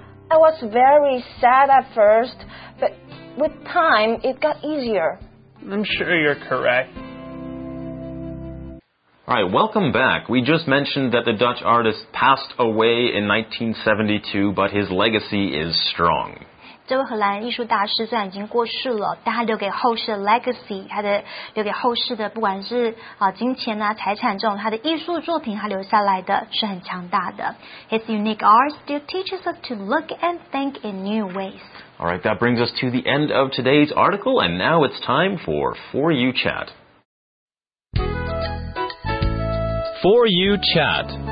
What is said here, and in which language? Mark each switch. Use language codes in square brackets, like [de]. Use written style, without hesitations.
[en] I was very sad at first, but with time, it got easier. I'm sure you're correct. All right, welcome back. We just mentioned that the Dutch artist passed away in 1972, but his legacy is strong. [zh] 这位荷兰艺术大师虽然已经过世了，但他留给后世的 legacy， 他的留给后世的不管是金钱啊、财产这种，他的艺术作品他留下来的是很强大的。 [en] His unique art still teaches us to look and think in new ways. All right, that brings us to the end of today's article, and now it's time for You Chat. For You Chat.